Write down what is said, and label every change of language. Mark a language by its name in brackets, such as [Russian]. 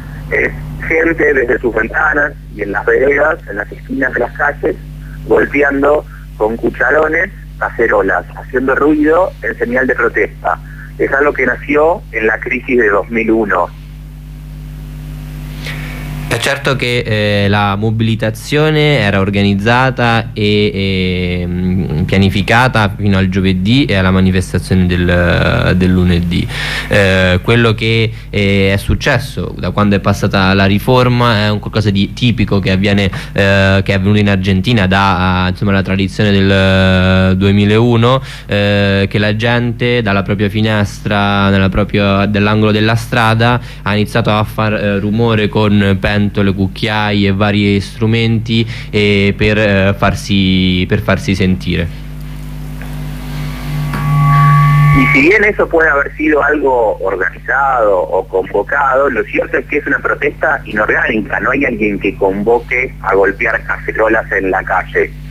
[Spanish] Es gente desde sus ventanas y en las veredas, en las esquinas de las calles, golpeando con cucharones cacerolas, haciendo ruido en señal de protesta. Es algo que nació en la crisis de 2001. [Italian] È certo che la mobilitazione era organizzata e pianificata fino al giovedì e alla manifestazione del lunedì. Quello che è successo da quando è passata la riforma è un qualcosa di tipico che avviene, che è avvenuto in Argentina da insomma la tradizione del 2001, che la gente dalla propria finestra, dell'angolo della strada, ha iniziato a far rumore con le cucchiaie e vari strumenti per farsi sentire. [Spanish] Y si bien eso puede haber sido algo organizado o convocado, lo cierto es que es una protesta inorgánica, no hay alguien que convoque a golpear cacerolas en la calle.